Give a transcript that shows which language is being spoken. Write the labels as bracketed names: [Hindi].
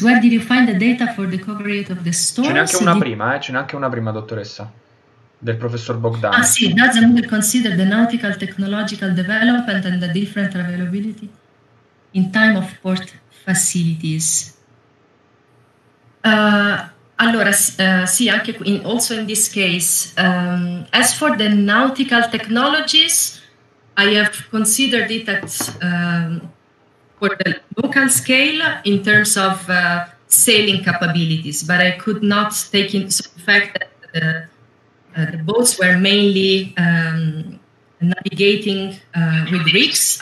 [English] Where did you find the data for the coverage of the storm? [Italian] Ce n'è anche una prima, ce n'è anche una prima, dottoressa, del professor Bogdan. Ah, sì, [English] does Amundi consider the nautical technological development and the different availability in time of port facilities? [Italian] Allora, sì, anche in, [English] also in this case, as for the nautical technologies, I have considered it at for the local scale in terms of sailing capabilities, but I could not take into the fact that the boats were mainly navigating with rigs.